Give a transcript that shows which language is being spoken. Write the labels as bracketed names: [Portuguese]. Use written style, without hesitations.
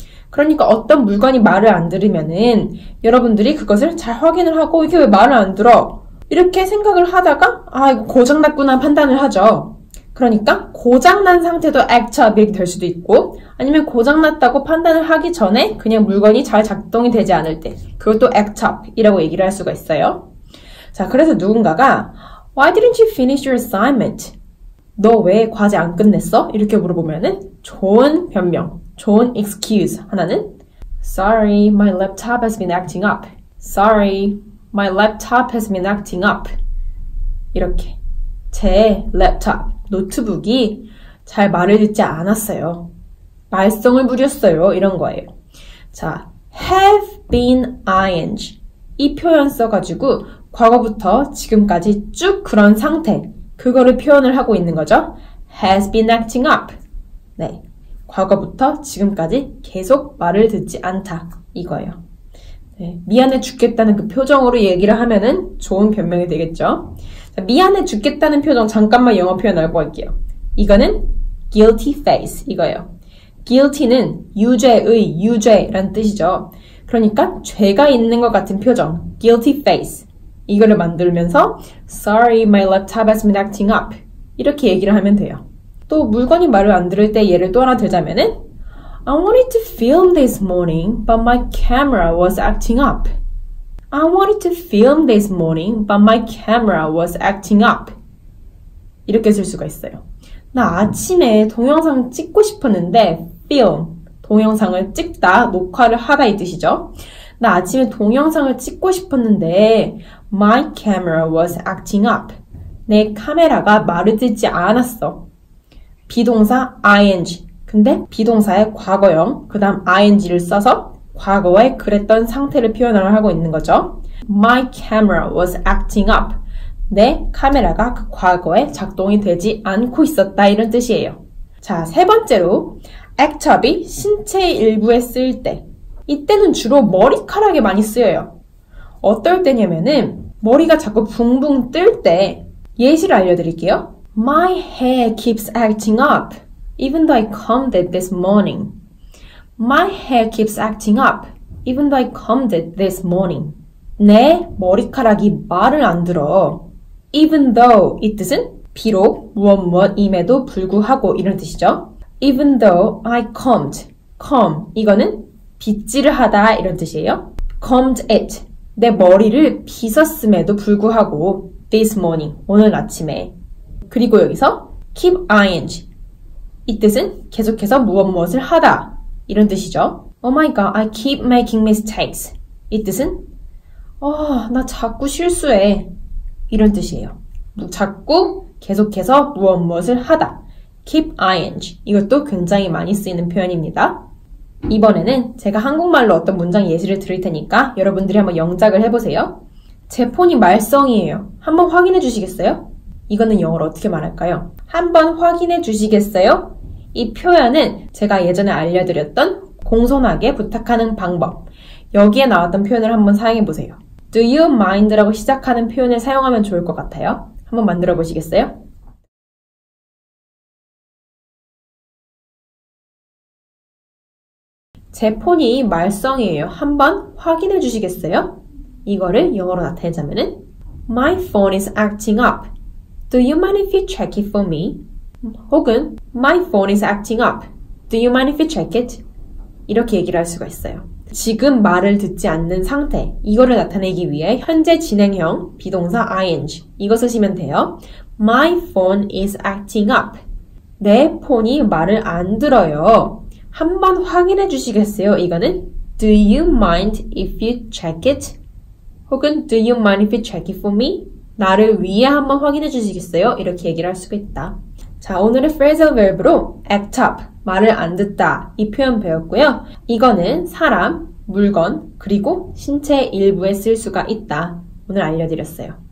[Korean] 그러니까 어떤 물건이 말을 안 들으면은 여러분들이 그것을 잘 확인을 하고, 이게 왜 말을 안 들어? 이렇게 생각을 하다가 아, 이거 고장났구나 판단을 하죠. 그러니까 고장난 상태도 act up이 될 수도 있고, 아니면 고장났다고 판단을 하기 전에 그냥 물건이 잘 작동이 되지 않을 때, 그것도 act up이라고 얘기를 할 수가 있어요. 자, 그래서 누군가가 [English] Why didn't you finish your assignment? [Korean] 너 왜 과제 안 끝냈어? 이렇게 물어보면은 좋은 변명, 좋은 excuse 하나는 [English] Sorry, my laptop has been acting up. Sorry, my laptop has been acting up. [Korean] 이렇게 제 랩탑, 노트북이 잘 말을 듣지 않았어요. 말썽을 부렸어요. 이런 거예요. 자, have been ing 이 표현 써가지고 과거부터 지금까지 쭉 그런 상태, 그거를 표현을 하고 있는 거죠. [English] has been acting up. [Korean] 네, 과거부터 지금까지 계속 말을 듣지 않다 이거예요. 네, 미안해 죽겠다는 그 표정으로 얘기를 하면은 좋은 변명이 되겠죠. 자, 미안해 죽겠다는 표정 잠깐만 영어 표현 알고 갈게요. 이거는 guilty face 이거예요. guilty는 유죄의 유죄란 뜻이죠. 그러니까 죄가 있는 것 같은 표정, guilty face 이거를 만들면서 [English] Sorry, my laptop has been acting up. [Korean] 이렇게 얘기를 하면 돼요. 또 물건이 말을 안 들을 때 예를 또 하나 들자면은 [English] I wanted to film this morning, but my camera was acting up. I wanted to film this morning, but my camera was acting up. [Korean] 이렇게 쓸 수가 있어요. 나 아침에 동영상 찍고 싶었는데 film, 동영상을 찍다, 녹화를 하다 이 뜻이죠. 나 아침에 동영상을 찍고 싶었는데 [English] My camera was acting up. [Korean] 내 카메라가 말을 듣지 않았어. 비동사 ing. 근데 비동사의 과거형, 그 다음 ing를 써서 과거에 그랬던 상태를 표현을 하고 있는 거죠. [English] My camera was acting up. [Korean] 내 카메라가 그 과거에 작동이 되지 않고 있었다 이런 뜻이에요. 자, 세 번째로 act up이 신체의 일부에 쓰일 때 이때는 주로 머리카락에 많이 쓰여요. 어떨 때냐면은 머리가 자꾸 붕붕 뜰 때 예시를 알려드릴게요. [English] My hair keeps acting up even though I combed it this morning. My hair keeps acting up even though I combed it this morning. [Korean] 내 머리카락이 말을 안 들어. Even though 이 뜻은 비록 무엇 무엇임에도 불구하고 이런 뜻이죠. [English] Even though I combed. [Korean] Comb 이거는 빗질을 하다 이런 뜻이에요. [English] Combed it. [Korean] 내 머리를 빗었음에도 불구하고 [English] this morning, [Korean] 오늘 아침에. 그리고 여기서 keep ing. 이 뜻은 계속해서 무엇 무엇을 하다 이런 뜻이죠. [English] Oh my god, I keep making mistakes. [Korean] 이 뜻은 나 자꾸 실수해 이런 뜻이에요. 자꾸 계속해서 무엇 무엇을 하다. keep ing. 이것도 굉장히 많이 쓰이는 표현입니다. 이번에는 제가 한국말로 어떤 문장 예시를 드릴 테니까 여러분들이 한번 영작을 해보세요. 제 폰이 말썽이에요. 한번 확인해 주시겠어요? 이거는 영어로 어떻게 말할까요? 한번 확인해 주시겠어요? 이 표현은 제가 예전에 알려드렸던 공손하게 부탁하는 방법. 여기에 나왔던 표현을 한번 사용해 보세요. Do you mind라고 시작하는 표현을 사용하면 좋을 것 같아요. 한번 만들어 보시겠어요? 제 폰이 말썽이에요. 한번 확인해 주시겠어요? 이거를 영어로 나타내자면은 [English] My phone is acting up. Do you mind if you check it for me? 혹은 My phone is acting up. Do you mind if you check it? [Korean] 이렇게 얘기를 할 수가 있어요. 지금 말을 듣지 않는 상태, 이거를 나타내기 위해 현재 진행형 비동사 ing 이거 쓰시면 돼요. [English] My phone is acting up. [Korean] 내 폰이 말을 안 들어요. 한번 확인해 주시겠어요? [English] 이거는 Do you mind if you check it? 혹은 Do you mind if you check it for me? [Korean] 나를 위해 한번 확인해 주시겠어요? 이렇게 얘기를 할 수가 있다. 자, 오늘의 phrasal verb로 act up, 말을 안 듣다 이 표현 배웠고요. 이거는 사람, 물건, 그리고 신체의 일부에 쓸 수가 있다. 오늘 알려드렸어요.